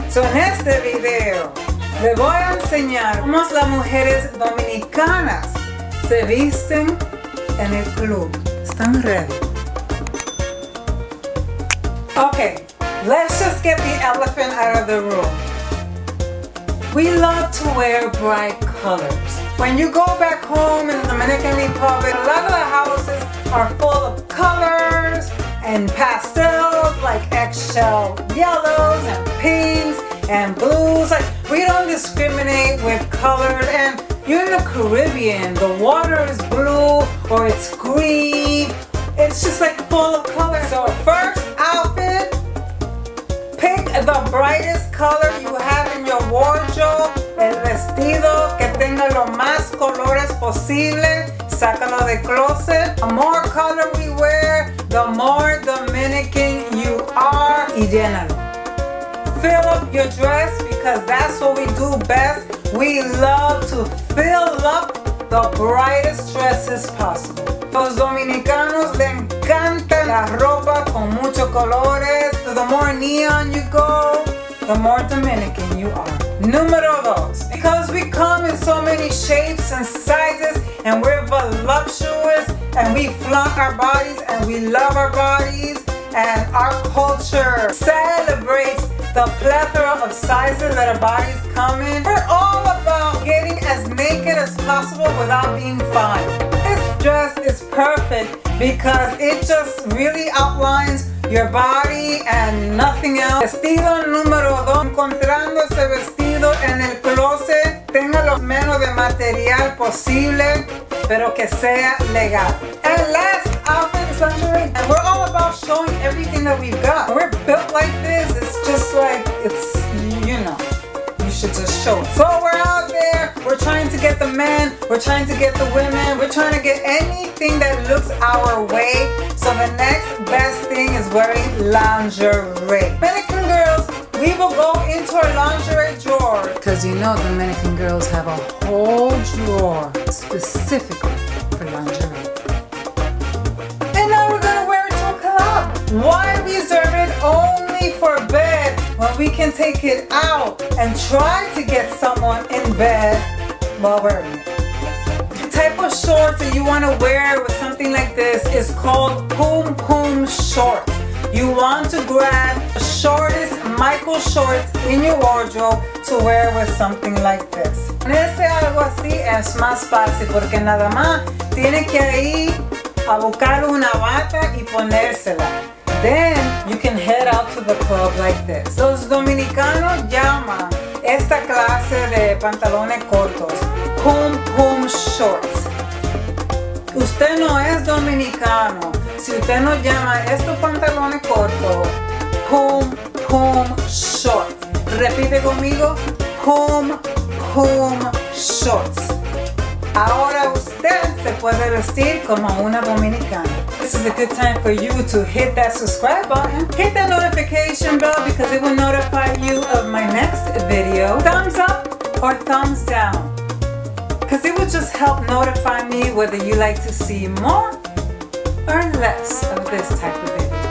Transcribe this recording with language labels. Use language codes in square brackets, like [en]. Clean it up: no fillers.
[es] So en este video, le voy a enseñar cómo las mujeres dominicanas se visten en el club. ¿Están [en] ready? Okay, let's just get the elephant out of the room. We love to wear bright colors. When you go back home in the Dominican Republic, a lot of the houses are full of colors and pastels, like eggshell yellows and pinks and blues. Like, we don't discriminate with colors. And you're in the Caribbean, the water is blue or it's green. It's just like full of colors. So first outfit, pick the brightest color you have in your wardrobe. [es] El vestido que tenga lo más colores posible, sácalo de closet. [en] The more color we wear, the more Dominican you are. [es] Y llénalo. [en] Fill up your dress because that's what we do best. We love to fill up the brightest dresses possible. [es] Los dominicanos le encantan la ropa con muchos colores. [en] So the more neon you go, the more Dominican you are. [es] Numero dos. [en] Because we come in so many shapes and sizes, and we're voluptuous, and we flaunt our bodies, and we love our bodies, and our culture celebrates the plethora of sizes that our bodies come in. We're all about getting as naked as possible without being fine. This dress is perfect because it just really outlines your body and nothing else. [es] Vestido número dos. Encontrando ese vestido en el closet, tenga lo menos de material posible, pero que sea legal. [en] And last outfit is lingerie. And we're all about showing everything that we've got. We're built like this. It's just like, it's, you know, you should just show it. So we're out there. We're trying to get the men. We're trying to get the women. We're trying to get anything that looks our way. So the next best thing is wearing lingerie. Dominican girls, we will go into our lingerie drawer. Because you know Dominican girls have a whole drawer specifically for lingerie. And now we're going to wear it to a club. Why reserve it only for bed when we can take it out and try to get someone in bed while wearing it? Type of shorts that you want to wear with something like this is called pum pum shorts. You want to grab the shortest micro shorts in your wardrobe to wear with something like this. [es] En ese algo así es más fácil porque nada más tiene que ir a buscar una bata y ponérsela. [en] Then you can head out to the club like this. [es] Los dominicanos llaman esta clase de pantalones cortos pum pum shorts. Usted no es dominicano si usted no llama estos pantalones cortos pum pum shorts. Repite conmigo, pum pum shorts. Ahora usted se puede vestir como una dominicana. [en] This is a good time for you to hit that subscribe button. Hit that notification bell because it will notify you of my next video. Thumbs up or thumbs down. Because it will just help notify me whether you like to see more or less of this type of video.